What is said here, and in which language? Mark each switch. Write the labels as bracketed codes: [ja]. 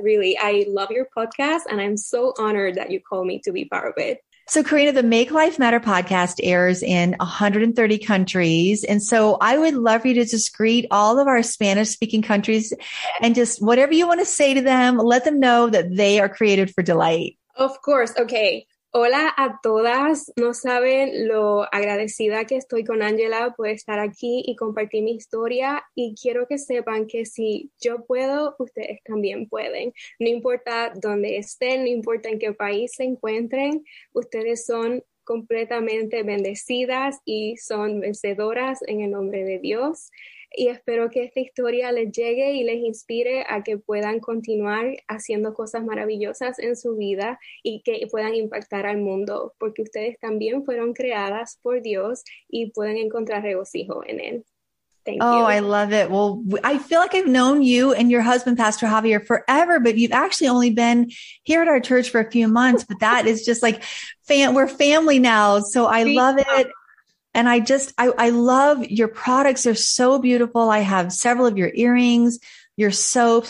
[en] Really, I love your podcast and I'm so honored that you call me to be part of it. So Karina, the Make Life Matter podcast airs in 130 countries. And so I would love for you to just greet all of our Spanish speaking countries and just whatever you want to say to them, let them know that they are created for delight. Of course. Okay. [es] Hola a todas. No saben lo agradecida que estoy con Angela por estar aquí y compartir mi historia. Y quiero que sepan que si yo puedo, ustedes también pueden. No importa dónde estén, no importa en qué país se encuentren, ustedes son completamente bendecidas y son vencedoras en el nombre de Dios. Y espero que esta historia les llegue y les inspire a que puedan continuar haciendo cosas maravillosas en su vida y que puedan impactar al mundo, porque ustedes también fueron creadas por Dios y pueden encontrar regocijo en él. [en] Thank you. Oh, I love it. Well, I feel like I've known you and your husband, Pastor Javier, forever, but you've actually only been here at our church for a few months, but that is just like, we're family now. So I love it. And I love your products. They're so beautiful. I have several of your earrings, your soaps.